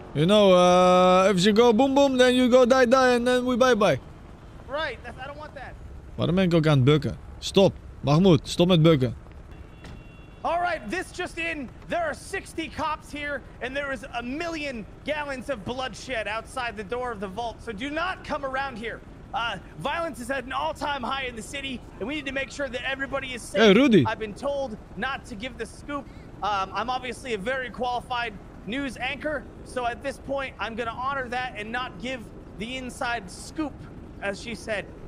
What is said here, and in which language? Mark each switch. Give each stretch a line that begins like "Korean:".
English: You know, if you go boom boom, then you go die, and then we bye. Right, I don't want that.
Dutch: Waarom ben ik ook aan het bukken? Stop, Mahmud, stop met bukken.
English: Alright, this just in. There are 60 cops here, and there is a million gallons of bloodshed outside the door of the vault, so do not come around here. Violence is at an all-time high in the city, and we need to make sure that everybody is safe. Hey, Rudy. I've been told not to give the scoop. I'm obviously a very qualified news anchor, so at this point I'm gonna honor that and not give the inside scoop, as she said.